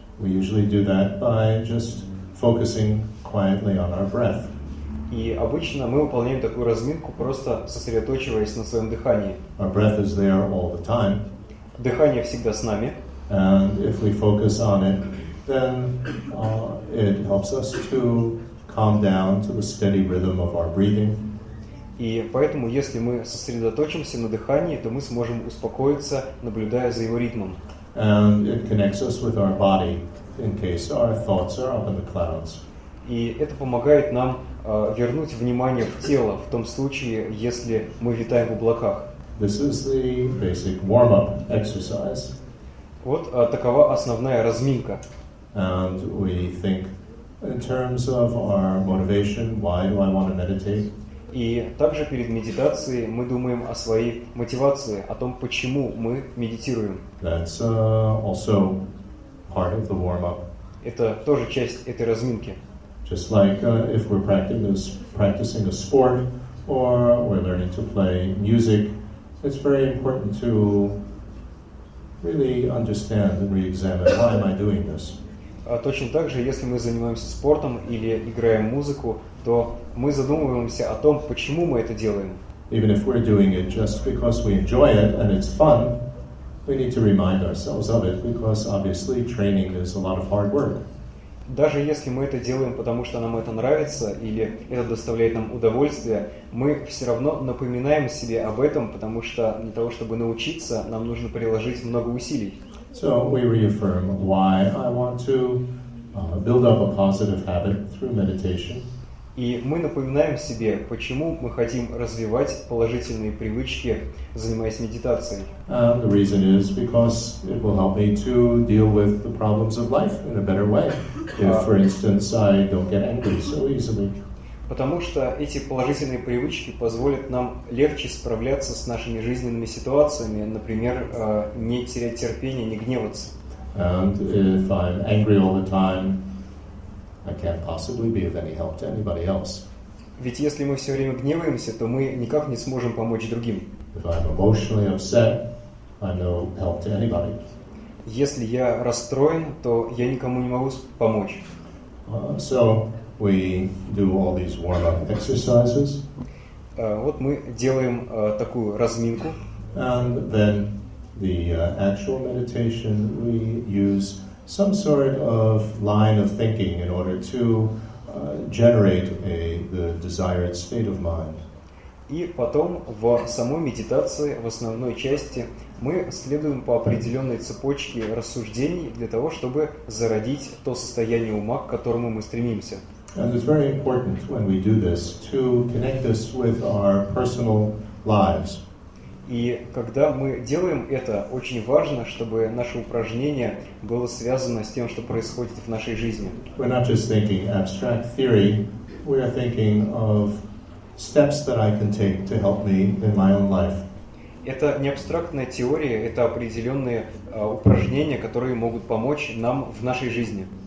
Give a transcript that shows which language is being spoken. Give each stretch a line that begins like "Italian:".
English: We usually do that by just focusing quietly on our breath.
Russian: И обычно мы выполняем такую разминку, просто сосредоточиваясь на своем дыхании.
English: Our breath is there all the time.
Russian: Дыхание всегда с нами.
English: And if we focus on it, then it helps us to calm down to the steady rhythm of our breathing.
Russian: И поэтому, если мы сосредоточимся на дыхании, то мы сможем успокоиться, наблюдая за его ритмом.
English: And it connects us with our body in case our thoughts are up in the clouds.
Russian: И это помогает нам вернуть внимание в тело в том случае, если мы витаем в облаках.
English: This is the basic warm-up exercise.
Russian: Вот такова основная разминка.
English: And we think in terms of our motivation, why do I want to meditate?
Russian: И также перед медитацией мы думаем о своей мотивации, о том, почему мы медитируем.
English: That's also part of the warm-up.
Russian: Это тоже часть этой разминки.
English: Just like if we're practicing a sport or we're learning to play music, it's very important to really understand and re-examine why am I doing this.
Russian: Точно так же, если мы занимаемся спортом или играем музыку, то мы задумываемся о том, почему мы это делаем.
English: Even if we're doing it just because we enjoy it and it's fun, we need to remind ourselves of it, because obviously training is a lot of hard work.
Russian: Даже если мы это делаем, потому что нам это нравится или это доставляет нам удовольствие, мы все равно напоминаем себе об этом, потому что для того, чтобы научиться, нам нужно приложить много усилий.
English: So we reaffirm why I want to build up a positive habit through meditation.
Russian: И мы напоминаем себе, почему мы хотим развивать положительные привычки, занимаясь медитацией.
English: And the reason is because it will help me to deal with the problems of life in a better way. If, for instance, I don't get angry so easily.
Russian: Потому что эти положительные привычки позволят нам легче справляться с нашими жизненными ситуациями, например, не терять терпение, не гневаться.
English: And if I'm angry all the time, I can't possibly be of any help to anybody else.
Russian: Ведь если мы все время гневаемся, то мы никак не сможем помочь другим.
English: If I'm emotionally upset, I'm no help to anybody.
Russian: Если я расстроен, то я никому не могу помочь.
English: So we do all these warm-up exercises.
Russian: Вот мы делаем такую разминку.
English: And then the actual meditation we use some sort of line of thinking in order to generate the desired state of mind.
Russian: И потом в самой медитации, в основной части, мы следуем по определенной цепочке рассуждений для того, чтобы зародить то состояние ума, к которому мы стремимся.
English: And it's very important when we do this to connect this with our personal lives.
Russian: И когда мы делаем это, очень важно, чтобы наше упражнение было связано с тем, что происходит в нашей жизни.
English: We're not just thinking abstract theory, we are thinking of steps that I can take to help me in my own life.
Russian: Это не абстрактная теория, это определенные упражнения, которые могут помочь нам в нашей жизни.